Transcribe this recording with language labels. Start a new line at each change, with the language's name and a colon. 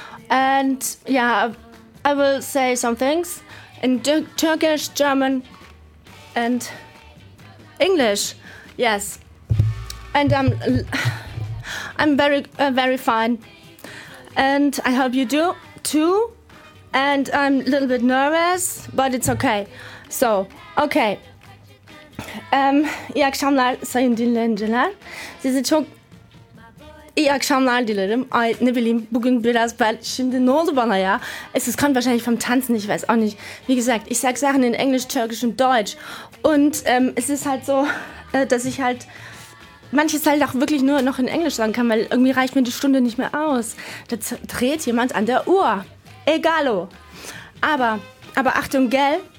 English: And yeah, I will say some things in Turkish, German, and English. Yes, and I'm very very fine, and I hope you do. Two, and I'm a little bit nervous, but it's okay. So, okay.
Turkish: İyi akşamlar sayın dinleyiciler. Sizi çok iyi akşamlar dilerim. Ay ne bileyim, bugün biraz bel... Şimdi ne oldu bana ya?
German: Es ist kann wahrscheinlich vom Tanzen, ich weiß auch nicht. Wie gesagt, ich sag Sachen in Englisch, Türkisch und Deutsch. Und es ist halt so, dass ich halt... Manches halt auch wirklich nur noch in Englisch sagen kann, weil irgendwie reicht mir die Stunde nicht mehr aus. Da dreht jemand an der Uhr. Egalo. Aber Achtung, gell?